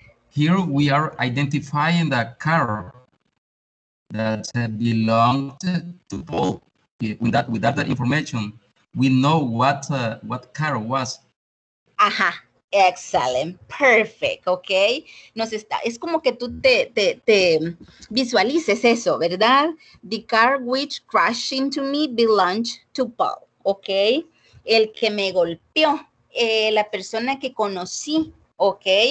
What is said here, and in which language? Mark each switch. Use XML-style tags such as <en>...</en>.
<en>Here we are identifying the car that belonged to Paul. Without that information, we know what car was.</en> <es>Ajá. Excelente, perfect, ok. Nos está, es como que tú te visualices eso, ¿verdad?</es> <en>The car which crashed into me belongs to Paul, ok.</en> <es>El que me golpeó, la persona que conocí, ok.</es>